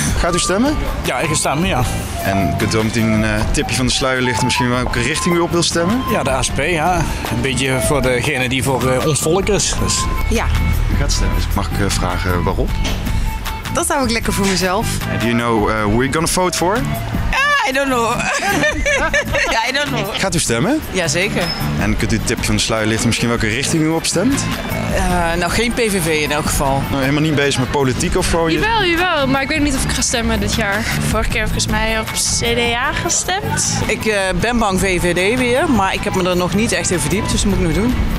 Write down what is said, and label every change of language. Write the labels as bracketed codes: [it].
[nl] Gaat u stemmen? Ja, ik ga stemmen, ja. En kunt u wel meteen een tipje van de sluier lichten, misschien welke richting u op wil stemmen? Ja, de ASP, ja. Een beetje voor degene die voor ons volk is. Dus. Ja. U gaat stemmen, dus mag ik vragen waarop? Dat hou ik lekker voor mezelf. [en] Do you know who you're gonna vote for? I don't know. Ja, I don't know. [nl] Gaat u stemmen? Jazeker. En kunt u het tipje van de sluier lichten, misschien welke richting u opstemt? Nou, geen PVV in elk geval. Nou, helemaal niet bezig met politiek of gewoon? Jawel, maar ik weet niet of ik ga stemmen dit jaar. Vorige keer heb ik volgens mij op CDA gestemd. Ik ben bang VVD weer, maar ik heb me er nog niet echt in verdiept, dus dat moet ik nog doen.